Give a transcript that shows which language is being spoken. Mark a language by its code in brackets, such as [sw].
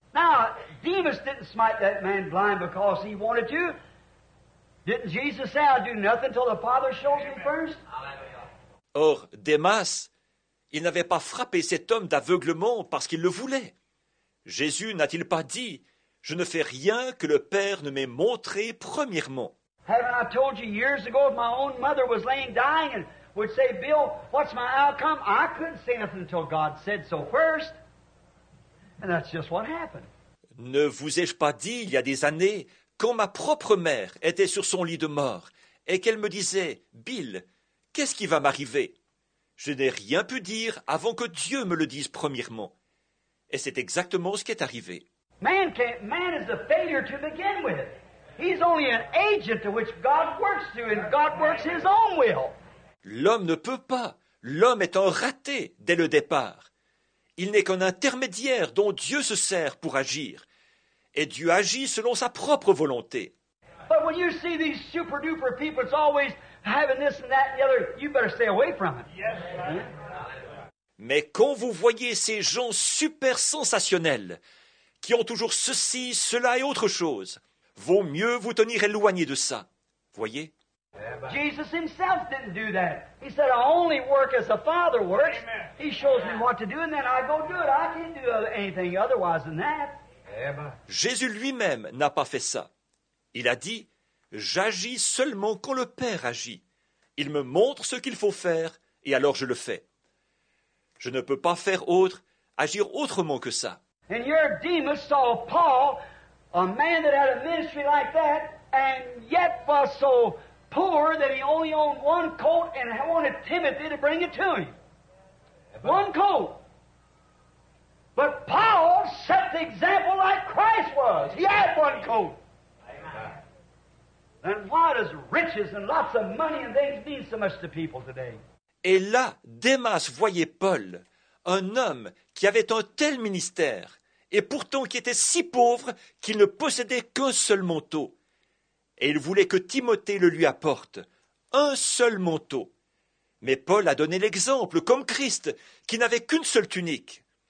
[en] Now, Demas didn't smite that man blind because he wanted to. Didn't Jesus say, I'll do nothing till the Father shows me first? [fr] Or, Demas, il n'avait pas frappé cet homme d'aveuglement parce qu'il le voulait. Jésus n'a-t-il pas dit, je ne fais rien que le Père ne m'ait montré premièrement. [en] Haven't I told you years ago if my own mother was laying dying and would say, Bill, what's my outcome? I couldn't say nothing until God said so first. And that's just what happened. [fr] Ne vous ai-je pas dit il y a des années quand ma propre mère était sur son lit de mort et qu'elle me disait, Bill, qu'est-ce qui va m'arriver? Je n'ai rien pu dire avant que Dieu me le dise premièrement. Et c'est exactement ce qui est arrivé. [en] Man is a failure to begin with. He's only an agent to which God works through, and God works his own will. [fr] L'homme ne peut pas. L'homme est un raté dès le départ. Il n'est qu'un intermédiaire dont Dieu se sert pour agir. Et Dieu agit selon sa propre volonté. [en] But when you see these super-duper people, it's always having this and that and the other, you better stay away from it. [fr] Mais quand vous voyez ces gens super sensationnels, qui ont toujours ceci, cela et autre chose, vaut mieux vous tenir éloigné de ça. Voyez? [en] Jesus himself didn't do that. He said, I only work as the Father works. Amen. He shows me what to do and then I go do it. I can't do anything otherwise than that. [fr] Jésus lui-même n'a pas fait ça. Il a dit, j'agis seulement quand le Père agit. Il me montre ce qu'il faut faire et alors je le fais. Je ne peux pas faire autre, agir autrement que ça. [en] And your Demas saw Paul, a man that had a ministry like that, and yet was so poor that he only owned one colt and wanted Timothy to bring it to him. One colt. But Paul set the example like Christ was. He had one colt. And why does riches and lots of money and things mean so much to people today? [fr] Et là, Démas voyait Paul, un homme qui avait un tel ministère, et pourtant qui était si pauvre qu'il ne possédait qu'un seul manteau. Et il voulait que Timothée le lui apporte, un seul manteau. Mais Paul a donné l'exemple, comme Christ, qui n'avait qu'une seule tunique.